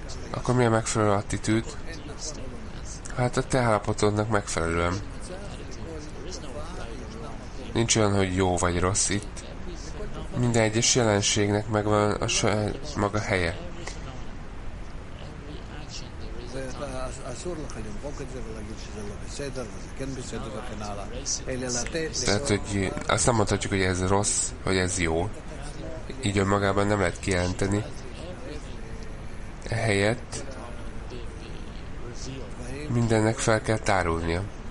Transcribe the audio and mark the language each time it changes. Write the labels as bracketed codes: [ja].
[hu] Akkor mi a megfelelő attitűd? Hát a te állapotodnak megfelelően. Nincs olyan, hogy jó vagy rossz itt. Minden egyes jelenségnek megvan a saját maga helye. [he] אסור לך למחוק את זה ולהגיד שזה לא בסדר וזה כן בסדר וכן הלאה. אלא לתת... [hu] Tehát, hogy azt nem mondhatjuk, hogy ez rossz, hogy ez jó. Így önmagában nem lehet kijelenteni. Ehelyett mindennek fel kell tárulnia.